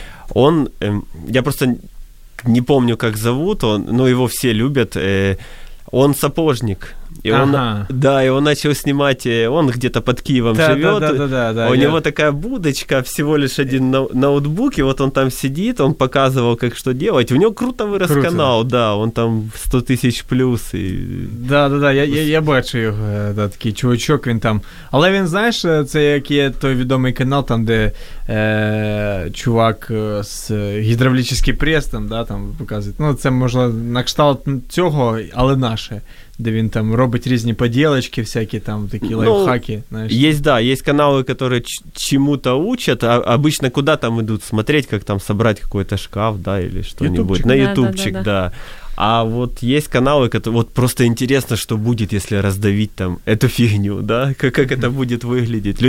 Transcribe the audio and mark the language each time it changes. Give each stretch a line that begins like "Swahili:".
Russian: Он, я просто не помню, как зовут, он, но его все любят, он сапожник. И ага. Он, да, и он начал снимать, он где-то под Киевом живет. Него такая будочка, всего лишь один ноутбук, и вот он там сидит, он показывал, как что делать. У него круто вырос круто. Канал, да, он там 100 тысяч плюс.
Ukrainian: Да-да-да, я бачу его, да, такий чувачок, він там. Але він, знаєш, це як є той відомий канал, там, де чувак з гідравлічний прес, там, да, там показує. Ну, це, можна, на кшталт цього, але наше. Где він там робить різні поделочки,
Russian: всякие там такие лайфхаки. Знаешь. Есть, да, есть каналы, которые чему-то учат, а обычно куда там идут смотреть, как там собрать какой-то шкаф, да, или что-нибудь. YouTube. На ютубчик, да. А вот есть каналы, которые вот просто интересно, что будет, если раздавить там эту фигню, да, как это будет выглядеть.